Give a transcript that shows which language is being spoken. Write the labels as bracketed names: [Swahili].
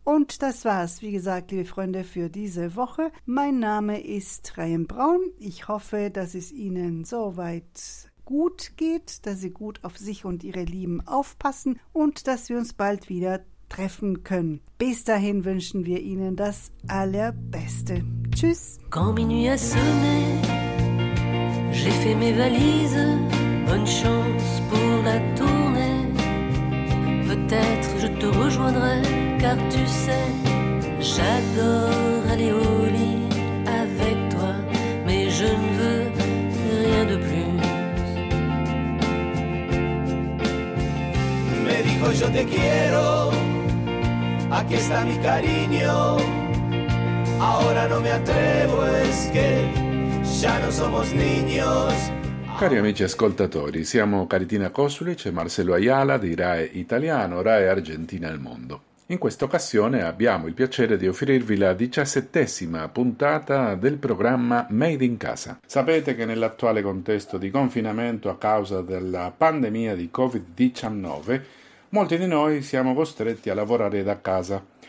[German] Und das war's, wie gesagt, liebe Freunde, für diese Woche. Mein Name ist Ryan Braun. Ich hoffe, dass es Ihnen soweit gut geht, dass Sie gut auf sich und Ihre Lieben aufpassen und dass wir uns bald wieder treffen können. Bis dahin wünschen wir Ihnen das Allerbeste. Tschüss. [French] Quand minuit a sonné, j'ai fait mes valises, bonne chance pour la tournée. Peut-être je te rejoindrai, car tu sais, j'adore aller au lit avec toi, mais je ne veux rien de plus. [Spanish] Me dijo yo te quiero. Aquí está mi cariño, ahora no me atrevo, es que ya no somos niños. [Italian] Cari amici ascoltatori, siamo Caritina Kosulic e Marcelo Ayala di RAE Italiano, RAE Argentina al Mondo. In questa occasione abbiamo il piacere di offrirvi la 17ª puntata del programma Made in Casa. Sapete che nell'attuale contesto di confinamento a causa della pandemia di Covid-19, molti di noi siamo costretti a lavorare da casa.